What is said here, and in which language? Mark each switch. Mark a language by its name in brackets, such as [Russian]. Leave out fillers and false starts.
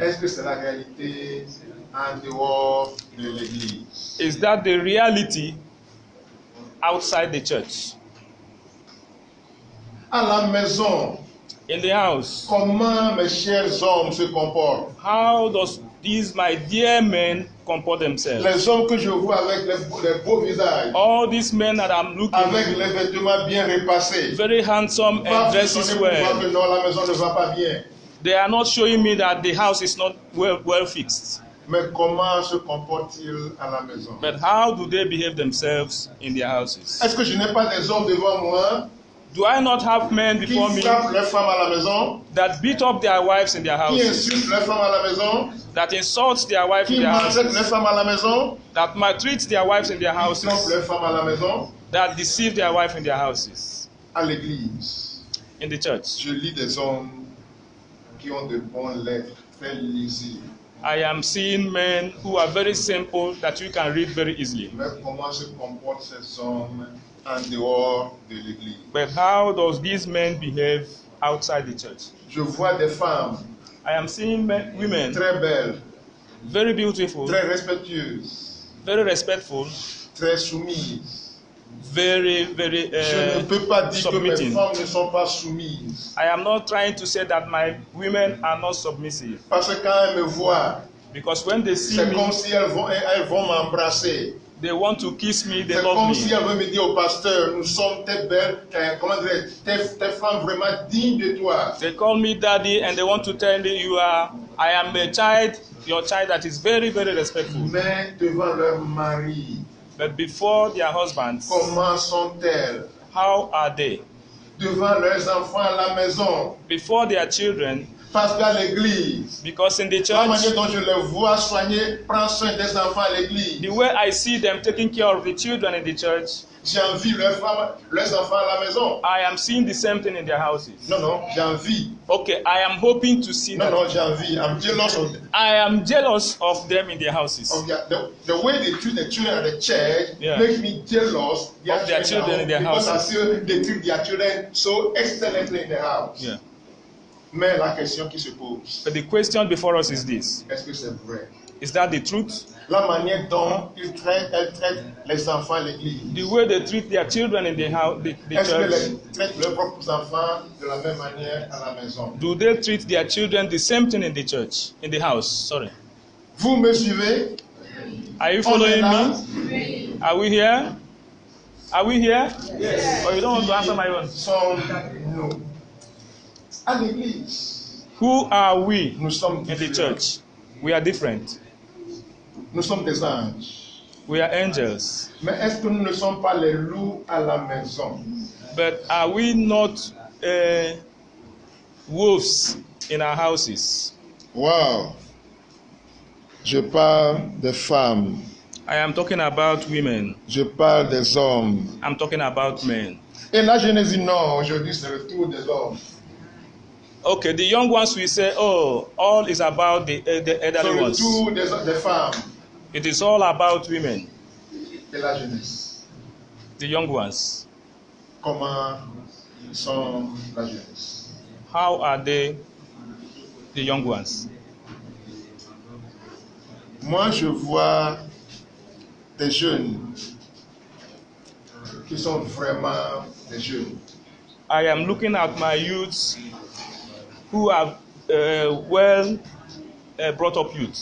[French] Est-ce que c'est la réalité en dehors de l'église? [English] Is that the reality outside the church? [French] À la maison. [English] in the house? [French] Comment mes chers hommes se comportent? [English] How does these my dear men comport themselves? [French] Les hommes que je vois avec les beaux visages. [English] All these men that I'm looking [French] avec les vêtements bien repassés. [English] Very handsome and dresses well. [French] Que non, la maison ne va pas bien. [English] They are not showing me that the house is not well fixed. [French] Mais comment se comportent-ils à la maison? [English] But how do they behave themselves in their houses? [French] Est-ce que je n'ai pas des hommes devant moi? [English] Do I not have men before me that beat up their wives in their houses, that insult their wives in their houses, that maltreat their wives in their houses, that deceive their wives in their houses? [French] À l'église, [English] in the church, [French] je lis des hommes qui ont de bonnes lettres, très lisibles. [English] I am seeing men who are very simple that you can read very easily. [French] Mais comment se comportent ces hommes en dehors de l'église? [English] But how does these men behave outside the church? [French] Je vois des femmes. [English] I am seeing women. [French] Très belles. [English] Very beautiful. [French] Très respectueuses. [English] Very respectful. [French] Très soumises. [English] Very [French] je ne peux pas dire submitting. Que mes femmes ne sont pas soumises. [English] I am not trying to say that my women are not submissive. [French] Parce que quand elles me voient, [English] because when they see [French] c'est [English] me, [French] comme si elles vont m'embrasser. [English] They want to kiss me, they [French] c'est [English] love [French] comme [English] me. [French] Si elles veulent me dire au pasteur, nous sommes tes belles, comment dire, tes femmes vraiment dignes de toi. [English] They call me daddy and they want to tell me you are, I am a child, your child that is very very respectful. [French] Mais devant leur mari. [English] But before their husbands, [French] comment sont-elles? [English] How are they? [French] Devant leurs enfants à la maison. [English] Before their children. [French] Parce qu'à l'église. [English] Because in the church. [French] La manière dont je les vois soigner, prendre soin des enfants à l'église. [English] The way I see them taking care of the children in the church. [French] J'envie leurs enfants à la maison. [English] I am seeing the same thing in their houses. [French] Non, j'envie. [English] Okay, I am hoping to see them. No, [French] j'envie. [English] I'm jealous of them. I am jealous of them in their houses. The way they treat the children at the church, yeah, makes me jealous of their children in their because houses. Because I see they treat their children so excellently in the house. Yeah. [French] Mais la question qui se pose. [English] But the question before us is this. [French] Est-ce que c'est vrai? [English] Is that the truth? [French] La manière dont ils traitent les enfants à l'église. [English] The way they treat their children in the house, the [French] est-ce [English] church. [French] Est-ce qu'ils traitent leurs propres enfants de la même manière à la maison? [English] Do they treat their children the same thing in the church, in the house? Sorry. [French] Vous me suivez? [English] Are you following me? [French] Oui. [English] Are we here? Yes. Or you don't want to answer my own? No. [French] À l'église. [English] Who are we? [French] Nous sommes [English] in the church. We are different. [French] Nous sommes des anges. [English] We are angels. [French] Mais est-ce que nous ne sommes pas les loups à la maison? [English] But are we not wolves in our houses? [French] Wow. Je parle des femmes. [English] I am talking about women. [French] Je parle des hommes. [English] I'm talking about men. [French] Et la Genèse non, aujourd'hui c'est le tour des hommes. [English] Okay, the young ones we say, all is about the elderly ones. So the farm. It is all about women. [French] Et la jeunesse. [English] The young ones. [French] Comment sont la jeunesse? [English] How are they, the young ones? [French] Moi, je vois des jeunes qui sont vraiment des jeunes. [English] I am looking at my youths. Who have well brought up youths.